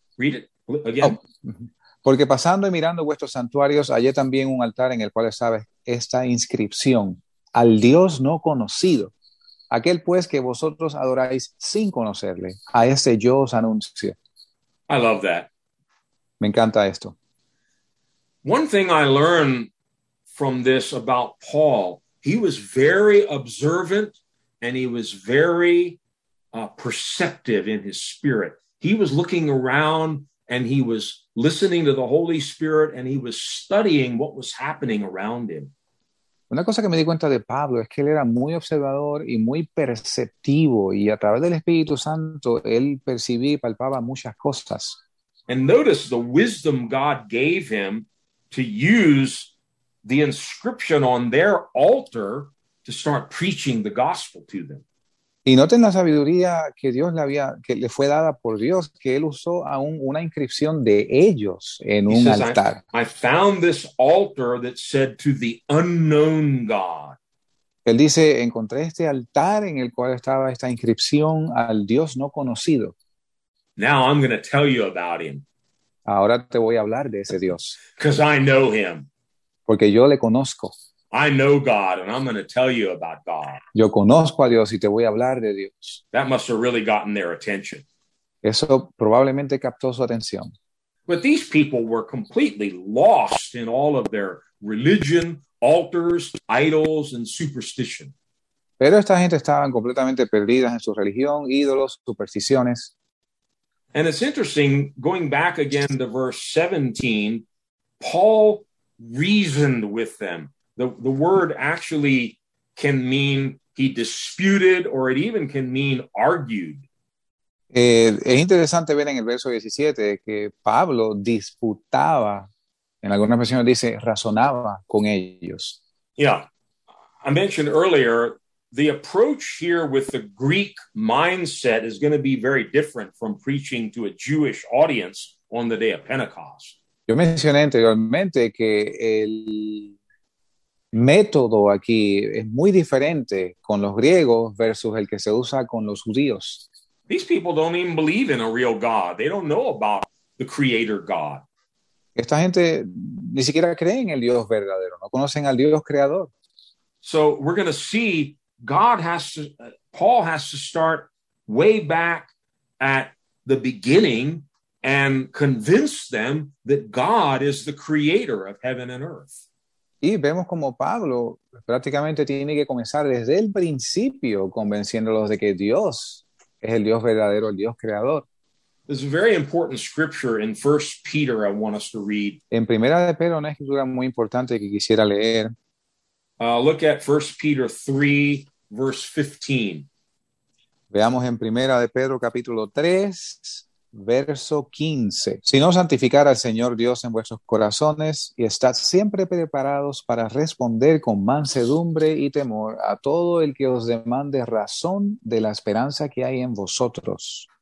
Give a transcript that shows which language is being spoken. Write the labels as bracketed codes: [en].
[en] Read it again. [es] Oh, porque pasando y mirando vuestros santuarios, hallé también un altar en el cual estaba esta inscripción: al Dios no conocido. Aquel pues que vosotros adoráis sin conocerle, a ese yo os anuncio. [en] I love that. [es] Me encanta esto. [en] One thing I learned from this about Paul, he was very observant and he was very perceptive in his spirit. He was looking around and he was listening to the Holy Spirit and he was studying what was happening around him. [es] Una cosa que me di cuenta de Pablo es que él era muy observador y muy perceptivo, y a través del Espíritu Santo él percibía y palpaba muchas cosas. [en] And notice the wisdom God gave him to use the inscription on their altar to start preaching the gospel to them. [es] Y noten la sabiduría que Dios le había, que le fue dada por Dios, que él usó aún una inscripción de ellos en [en] He [es] un [en] says, [es] altar. [en] I found this altar that said to the unknown God. [es] Él dice, encontré este altar en el cual estaba esta inscripción al Dios no conocido. [en] Now I'm going to tell you about him. [es] Ahora te voy a hablar de ese Dios. [en] Because I know him. [es] Porque yo le conozco. [en] I know God, and I'm going to tell you about God. [es] Yo conozco a Dios y te voy a hablar de Dios. [en] That must have really gotten their attention. [es] Eso probablemente captó su atención. [en] But these people were completely lost in all of their religion, altars, idols, and superstition. [es] Pero esta gente estaban completamente perdidas en su religión, ídolos, supersticiones. [en] And it's interesting, going back again to verse 17, Paul reasoned with them. The word actually can mean he disputed, or it even can mean argued. [es] Es interesante ver en el verso 17 que Pablo disputaba, en algunas versiones dice, razonaba con ellos. [en] Yeah, I mentioned earlier, the approach here with the Greek mindset is going to be very different from preaching to a Jewish audience on the day of Pentecost. [es] Yo mencioné anteriormente que el método aquí es muy diferente con los griegos versus el que se usa con los judíos. [en] These people don't even believe in a real God. They don't know about the creator God. [es] Esta gente ni siquiera cree en el Dios verdadero, no conocen al Dios creador. [en] So we're going to see God has to, Paul has to start way back at the beginning and convince them that God is the creator of heaven and earth. [es] Y vemos como Pablo prácticamente tiene que comenzar desde el principio convenciéndolos de que Dios es el Dios verdadero, el Dios creador. [en] There's a very important scripture in 1 Peter I want us to read. [es] En primera de Pedro, una escritura muy importante que quisiera leer. [en] Look at 1 Peter 3, verse 15. [es] Veamos en primera de Pedro, capítulo 3. Verso 15. Si no santificar al Señor Dios en vuestros corazones y estad siempre preparados para responder con mansedumbre y temor a todo el que os demande razón de la esperanza que hay en vosotros.